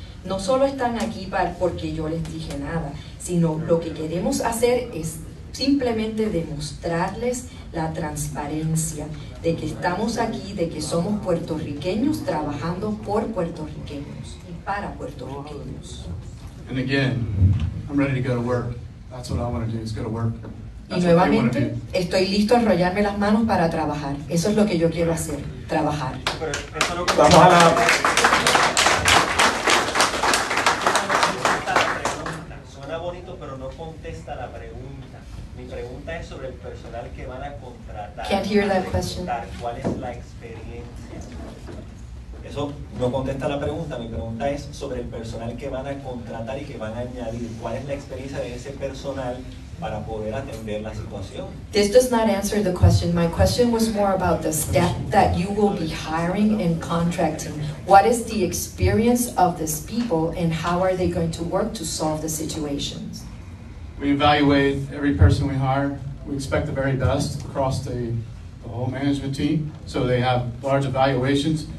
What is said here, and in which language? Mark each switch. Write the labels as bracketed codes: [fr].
[es] No solo están aquí porque yo les dije nada, sino lo que queremos hacer es simplemente demostrarles la transparencia de que estamos aquí, de que somos puertorriqueños trabajando por puertorriqueños y para puertorriqueños. [en] And again, I'm ready to go to work. That's what I want to do, is go to work. That's [es] y nuevamente, estoy listo a enrollarme las manos para trabajar. Eso es lo que yo quiero hacer, trabajar. Vamos a la... Suena bonito, pero no contesta la pregunta. Mi pregunta es sobre el personal que van a contratar. [en] Can't hear that question. [es] ¿Cuál es la experiencia? Eso no contesta la pregunta. Mi pregunta es sobre el personal que van a contratar y que van a añadir. ¿Cuál es la experiencia de ese personal para poder atender la situación? [en] This does not answer the question. My question was more about the staff that you will be hiring and contracting. What is the experience of these people and how are they going to work to solve the situations? We evaluate every person we hire. We expect the very best across the whole management team, so they have large evaluations.